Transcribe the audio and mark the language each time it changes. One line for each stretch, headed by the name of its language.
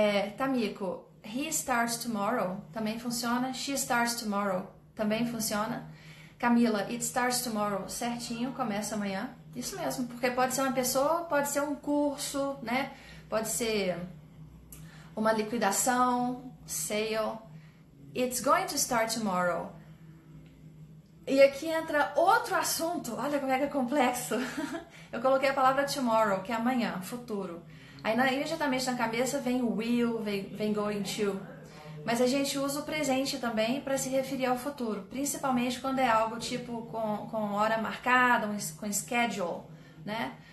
English: Tamiko, he starts tomorrow.
Portuguese: Também funciona.
English: She starts tomorrow.
Portuguese: Também funciona.
English: Camila, it starts tomorrow.
Portuguese: Certinho, começa amanhã. Isso mesmo, porque pode ser uma pessoa, pode ser um curso, né? Pode ser uma liquidação, sale.
English: It's going to start tomorrow.
Portuguese: E aqui entra outro assunto. Olha como é que é complexo. Eu coloquei a palavra tomorrow, que é amanhã, futuro. Aí imediatamente na cabeça vem will, vem going to. Mas a gente usa o presente também para se referir ao futuro, principalmente quando é algo tipo com hora marcada, com schedule, né?